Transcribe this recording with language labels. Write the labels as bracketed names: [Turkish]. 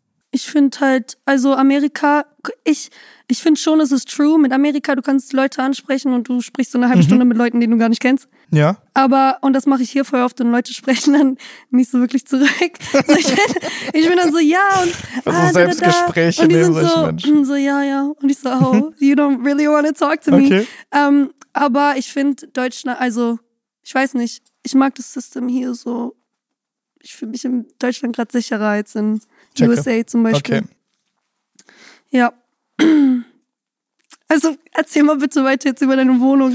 [German] Ich finde halt, also Amerika, ich finde schon, es ist true, mit Amerika, du kannst Leute ansprechen und du sprichst so eine halbe Stunde mit Leuten, die du gar nicht kennst. Ja. Aber, und das mache ich hier voll oft, und Leute sprechen dann nicht so wirklich zurück. So, ich bin dann so, ja, und also Selbstgespräche da. Und die sind so, so, ja, ja. Und ich so, [English] oh, you don't really want to talk to me. [German] Okay. Aber ich finde Deutschland, also, ich weiß nicht, ich mag das System hier so. Ich fühle mich in Deutschland gerade sicherer als in USA zum Beispiel. Okay. Ja. Also erzähl mal bitte weiter jetzt über deine Wohnung.